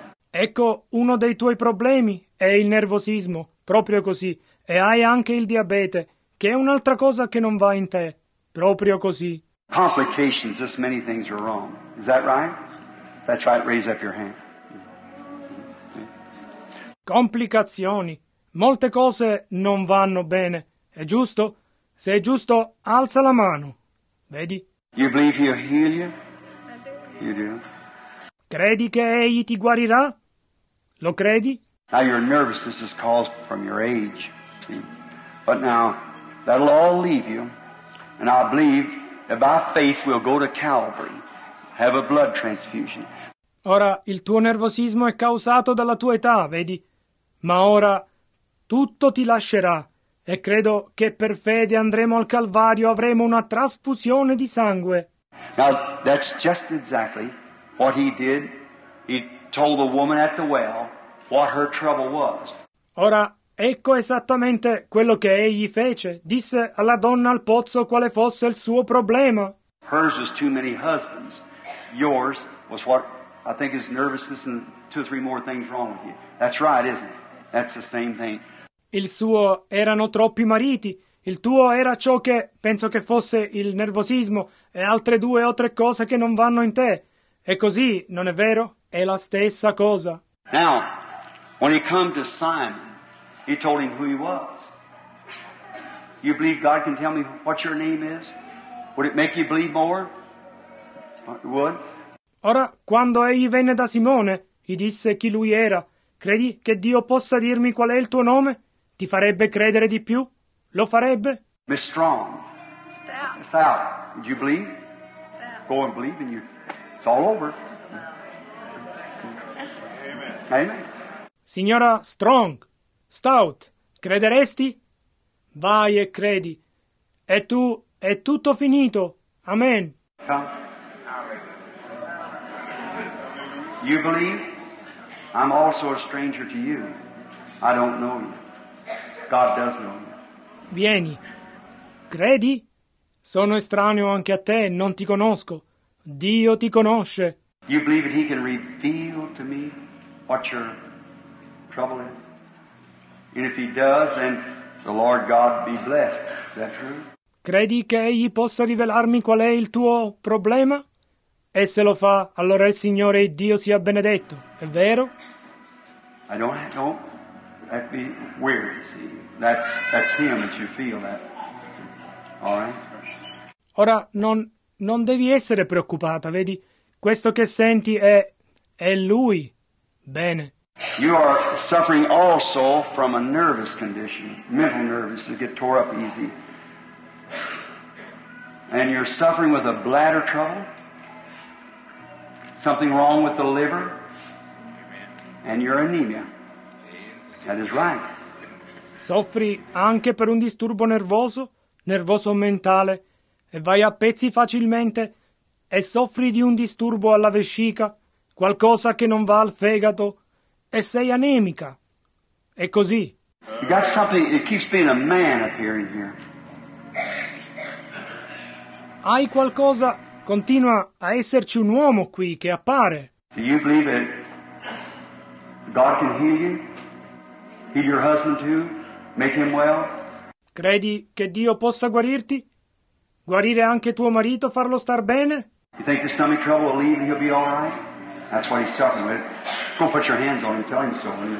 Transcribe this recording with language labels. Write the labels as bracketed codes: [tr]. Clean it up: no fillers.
[it] Ecco, uno dei tuoi problemi è il nervosismo, proprio così. E hai anche il diabete, che è un'altra cosa che non va in te, proprio così. [en] Complications, just many things are wrong. Is that right? That's right, raise up your hand. [it] Complicazioni. Molte cose non vanno bene, è giusto? Se è giusto, alza la mano. Vedi? [en] You believe he'll heal you? You do. [it] Credi che egli ti guarirà? Lo credi? [en] Now your nervousness is caused from your age. See? But now, that'll all leave you. And I believe that by faith we'll go to Calvary, have a blood transfusion. [it] Ora, il tuo nervosismo è causato dalla tua età, vedi? Ma ora tutto ti lascerà e credo che per fede andremo al Calvario, avremo una trasfusione di sangue. [en] Now, that's just exactly what he did. He told the woman at the well what her trouble was. [it] Ora, ecco esattamente quello che egli fece. Disse alla donna al pozzo quale fosse il suo problema. [en] Hers was too many husbands. Yours was what I think is nervousness and two or three more things wrong with you. That's right, isn't it? That's the same thing. [it] Il suo erano troppi mariti. Il tuo era ciò che penso che fosse il nervosismo e altre due o tre cose che non vanno in te. E così, non è vero? È la stessa cosa. [en] Now, when he come to Simon, he told him who he was. You believe God can tell me what your name is? Would it make you believe more? It would. [it] Ora, quando egli venne da Simone, gli disse chi lui era. Credi che Dio possa dirmi qual è il tuo nome? Ti farebbe credere di più? Lo farebbe? [en] Miss Strong. Stout. Stout. Would you believe? Stout. Go and believe in you. It's all over. Amen. Amen. [it] Signora Strong. Stout, crederesti? Vai e credi. E tu, è tutto finito. Amen. [en] Come. You believe? I'm also a stranger to you. I don't know you. God does know you. [it] Vieni. Credi? Sono estraneo anche a te, non ti conosco. Dio ti conosce. [en] You believe that he can reveal to me what your trouble is? And if he does, then the Lord God be blessed. Is that true? [it] Credi che egli possa rivelarmi qual è il tuo problema? E se lo fa, allora il Signore e Dio sia benedetto. È vero? [en] I don't. That'd be weird, see. That's him that you feel that. All right? [it] Ora, non devi essere preoccupata, vedi? Questo che senti è lui. Bene. [en] You are suffering also from a nervous condition, mental nerves that get tore up easy. And you're suffering with a bladder trouble, something wrong with the liver, and your anemia. That is right. [it] Soffri anche per un disturbo nervoso mentale, e vai a pezzi facilmente, e soffri di un disturbo alla vescica, qualcosa che non va al fegato. E sei anemica. È così. [en] You got something that keeps being a man appearing here. [it] Hai qualcosa, continua a esserci un uomo qui che appare. [en] Do you believe that God can heal you? Heal your husband too? Make him well? [it] Credi che Dio possa guarirti? Guarire anche tuo marito, farlo star bene? [en] You think the stomach trouble will leave and he'll be all right? That's what he's suffering with. Go put your hands on him, tell him so.